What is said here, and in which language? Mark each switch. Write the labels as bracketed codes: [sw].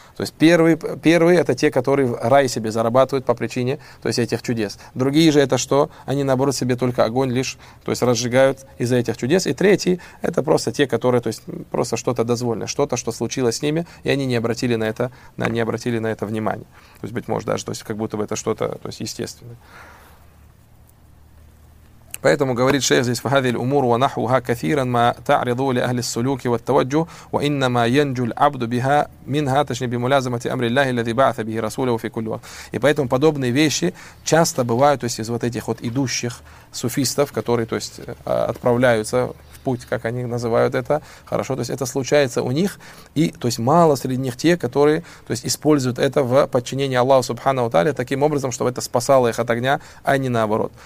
[ru] То есть первые это те, которые в рай себе зарабатывают по причине то есть этих чудес. Другие же это что? Они наоборот себе только огонь лишь то есть разжигают из-за этих чудес. И третьи это просто те, которые то есть просто что-то дозволенное, что-то, что случилось с ними, и они не обратили на это внимания. То есть, быть может, даже то есть, как будто бы это что-то то есть естественное. Поэтому говорит шейх здесь [ar] فهذه الامور ونحوها كثيرا ما تعرض لاهل السلوك والتوجه وانما ينجو العبد بها منها [ru] точнее [ar] بملازمه امر الله الذي بعث به رسوله في كل وقت. [ru] И поэтому подобные вещи часто бывают, то есть из вот этих вот идущих суфистов, которые то есть отправляются в путь, как они называют это, хорошо, то есть это случается у них, и то есть мало среди них те, которые то есть используют это в подчинении Аллаху субхана ва тааля таким образом, чтобы это спасало их от огня, а не наоборот.